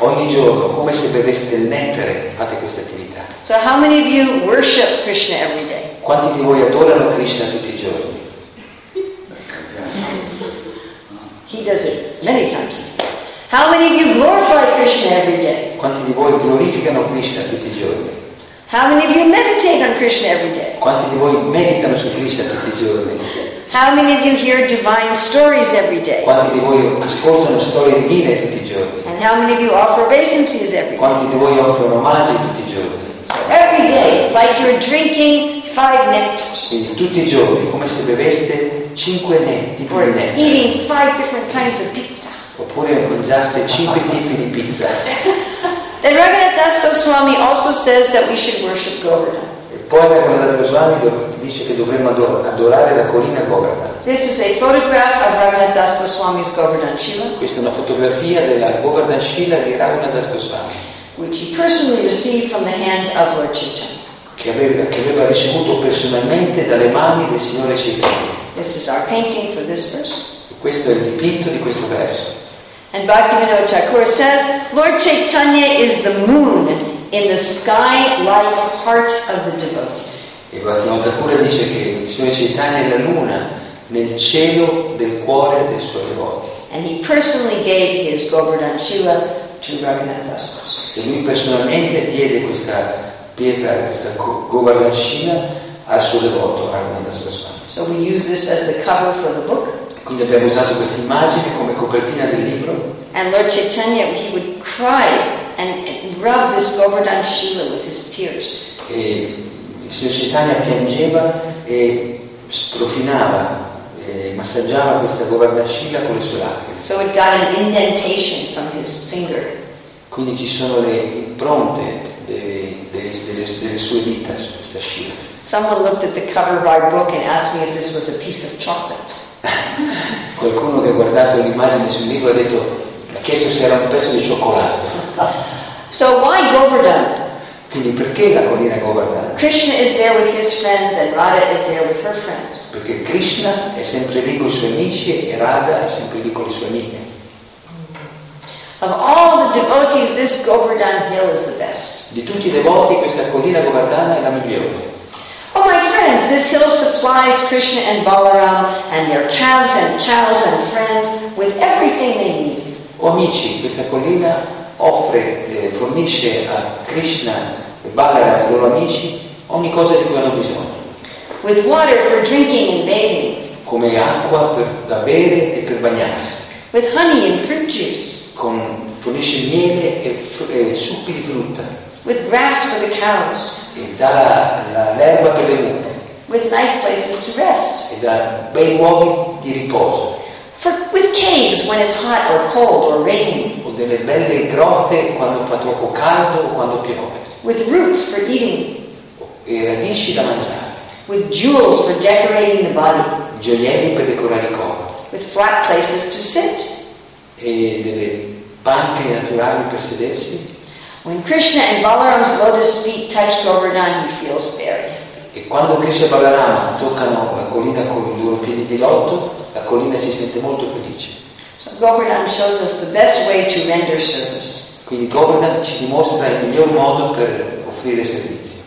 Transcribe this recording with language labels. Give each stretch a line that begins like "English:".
Italian: Ogni giorno, come se beveste il nettare, fate questa attività.
English: So how many of you worship Krishna every day?
Italian: Quanti di voi adorano Krishna tutti i giorni?
English: He does it many times a day. How many of you glorify Krishna every day?
Italian: Quanti di voi glorificano Krishna tutti i giorni?
English: How many of you meditate on Krishna every day?
Italian: Quanti di voi meditano su Krishna tutti i giorni?
English: How many of you hear divine stories every day?
Italian: Quanti di voi ascoltano storie divine tutti i giorni?
English: And how many of you offer obeisances every day?
Italian: Quanti di voi offrono omaggi tutti i giorni?
English: So every day, like you're drinking five nectars.
Italian: Quindi tutti i giorni, come se beveste cinque nectar.
English: Eating five different kinds of pizza.
Italian: Oppure mangiaste cinque tipi di pizza.
English: Then Raghunath Das Goswami also says that we should worship Govardhan.
Italian: E poi Raghunath Das Goswami dice che dovremmo adorare la collina Govardhan.
English: This is a photograph of Raghunath Das Goswami's Govardhan Shila.
Italian: Questa è una fotografia della Govardhan Shila di Raghunath Das Goswami.
English: Which he personally received from the hand of Lord Chaitanya.
Italian: Che aveva ricevuto personalmente dalle mani del Signore Chaitanya.
English: This is our painting for this verse.
Italian: E questo è il dipinto di questo verso.
English: And Bhaktivinoda Thakur says, Lord Chaitanya is the moon in the sky-like heart of the devotees.
Italian: E Bhaktivinoda Thakur dice che il Signore Chaitanya è la luna nel cielo del cuore dei suoi devoti.
English: And he personally gave his Govardhan Shila to Raghunath Das Goswami.
Italian: E lui personalmente diede questa pietra, questa Govardhan Shila al suo devoto, Raghunath Das Goswami.
English: So we use this as the cover for the book.
Italian: Quindi abbiamo usato questa immagine come copertina del libro.
English: And Lord Chaitanya, he would cry and rub this Govardhan Shila with his tears.
Italian: E il Signor Chaitanya piangeva e strofinava e massaggiava questa Govardhan Shila con le sue lacrime.
English: So it got an indentation from his finger.
Italian: Quindi ci sono le impronte delle sue dita su questa Shila.
English: Someone looked at the cover of our book and asked me if this was a piece of chocolate.
Italian: Qualcuno che ha guardato l'immagine sul libro ha detto, ha chiesto se era un pezzo di cioccolato.
English: So why Govardhan?
Italian: Quindi perché la collina Govardhan?
English: Krishna is there with his friends and Radha is there with her friends.
Italian: Perché Krishna è sempre lì con i suoi amici e Radha è sempre lì con le sue amiche.
English: Of all the devotees, this Govardhan hill is the best.
Italian: Di tutti i devoti, questa collina Govardhan è la migliore.
English: Oh my friends, this hill supplies Krishna and Balaram and their calves and cows and friends with everything they need.
Italian: Oh amici, questa collina offre, fornisce a Krishna e Balaram e loro amici ogni cosa di cui hanno bisogno.
English: With water for drinking and bathing.
Italian: Come acqua per da bere e per bagnarsi.
English: With honey and fruit juice.
Italian: Con fornisce miele e succhi di frutta.
English: With grass for the cows.
Italian: E dà la l'erba per le mucche.
English: With nice places to rest.
Italian: E dà bei luoghi di riposo.
English: For with caves when it's hot or cold or raining.
Italian: O delle belle grotte quando fa troppo caldo o quando piove.
English: With roots for eating.
Italian: E radici da mangiare.
English: With jewels for decorating the body.
Italian: Gioielli per decorare il corpo.
English: With flat places to sit.
Italian: E delle panche naturali per sedersi.
English: When Krishna and Balaram's lotus feet touch Govardhan, he feels very happy.
Italian: E quando Krishna e Balaram toccano la collina con i loro piedi di loto, la collina si sente molto felice.
English: So Govardhan shows us the best way to render service.
Italian: Quindi Govardhan ci dimostra il miglior modo per offrire servizi.